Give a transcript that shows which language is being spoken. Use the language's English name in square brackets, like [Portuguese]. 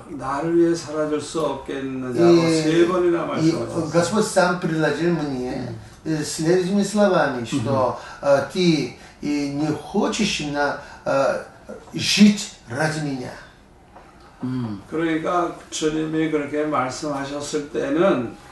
[Korean] 나를 위해 사라질 수 없겠느냐고 세 번이나 말씀하셨어요. [Russian] Господь сам предложил мне следующими словами, что ты не хочешь на жить ради меня. [Korean] 그러니까 주님이 그렇게 말씀하셨을 때는